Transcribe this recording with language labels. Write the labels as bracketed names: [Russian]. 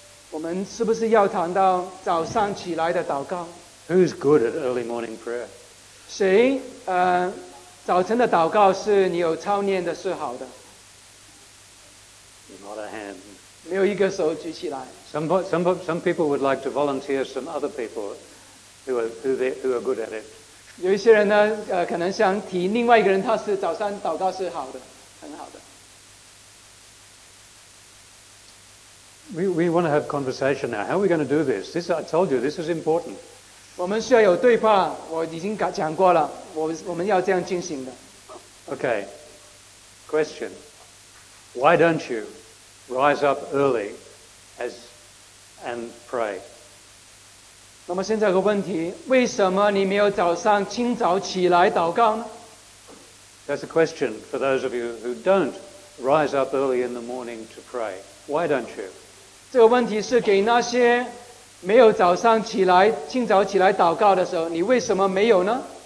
[Chinese] 我们是不是要谈到早上起来的祷告? [English] Who's good at early morning prayer? [Chinese] 谁早晨的祷告是你有操练的是好的。 [English] Not a hand. [Chinese] 没有一个手举起来。 [English] Some people would like to volunteer some other people who are good at it. [Chinese] 有一些人呢可能想提另外一个人他是早上祷告是好的很好的。 [English] We want to have conversation now. How are we going to do this? This, I told you, this is important. [Chinese] 我们需要有对话，我已经讲过了，我们要这样进行的。 [English] Okay, question. Why don't you rise up early and pray? [Chinese] 那么现在个问题，为什么你没有早上清早起来祷告呢？ [English] That's a question for those of you who don't rise up early in the morning to pray. Why don't you? [Chinese] 这个问题是给那些没有早上起来清早起来祷告的时候你为什么没有呢